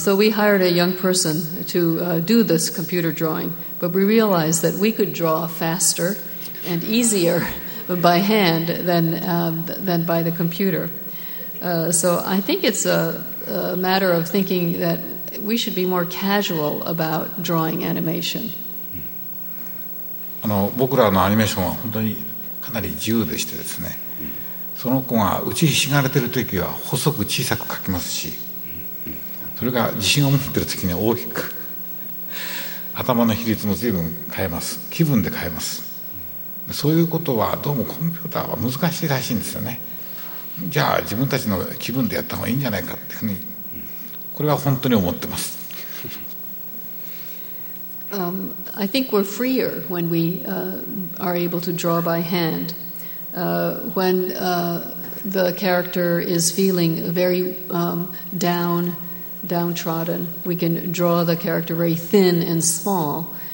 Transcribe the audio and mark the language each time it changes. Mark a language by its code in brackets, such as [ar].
[en] So we hired a young person to do this computer drawing, but we realized that we could draw faster and easier by hand than by the computer. So I think it's a matter of thinking that we should be more casual about drawing animation. [ja] あの、僕らのアニメーションは本当にかなり自由でしてですね、その子が打ちひしがれてる時は細く小さく描きますし、それが自信を持っている時には大きく、頭の比率も随分変えます、気分で変えます。そういうことはどうもコンピューターは難しいらしいんですよね。じゃあ自分たちの気分でやった方がいいんじゃないかっていうふうに、これは本当に思ってます。 [en] I think we're freer when we are able to draw by hand. When the character is feeling very downtrodden, we can draw the character very thin and small.